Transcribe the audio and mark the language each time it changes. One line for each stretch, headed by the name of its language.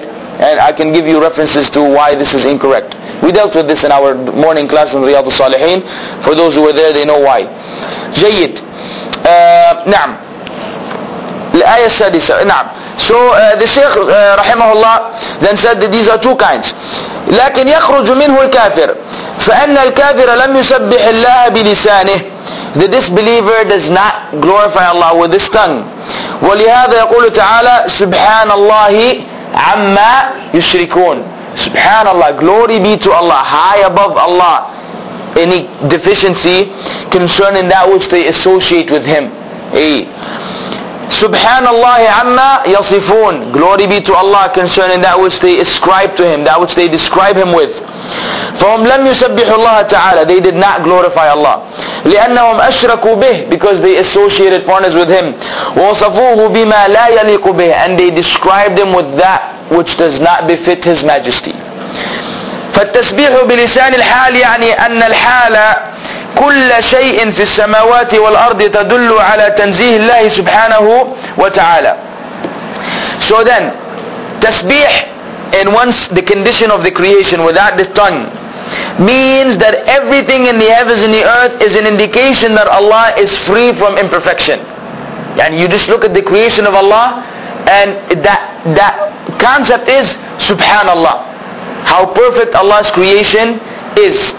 English: And I can give you references to why this is incorrect. We dealt with this in our morning class in Riyadh al-Salihin. For those who were there, they know why.
Arabic: جيد. نعم. الآية السادسة. نعم.
English: So the Shaykh رحمه الله then said that these are two kinds.
Arabic: لكن يخرج منه الكافر. فإن الكافر لم يسبح الله بلسانه.
English: The disbeliever does not glorify Allah with his tongue.
Arabic: ولهذا يقول تعالى سبحان الله عما يشركون.
English: سبحان الله, glory be to Allah, high above Allah, any deficiency concerning that which they associate with Him.
Arabic: سبحان الله عما يصفون,
English: glory be to Allah concerning that which they ascribe to Him, that which they describe Him with.
Arabic: فهم لم يسبحوا الله تعالى,
English: they did not glorify Allah.
Arabic: لأنهم أشركوا به,
English: because they associated partners with Him.
Arabic: وصفوه بما لا يليق به,
English: and they described Him with that which does not befit His Majesty.
Arabic: فالتسبيح بلسان الحال يعني أن الحال كل شيء في السماوات والأرض تدل على تنزيه الله سبحانه وتعالى.
English: So then, تسبيح, and once the condition of the creation without the tongue, means that everything in the heavens and the earth is an indication that Allah is free from imperfection. And you just look at the creation of Allah, and that concept is Subhanallah. How perfect Allah's creation is.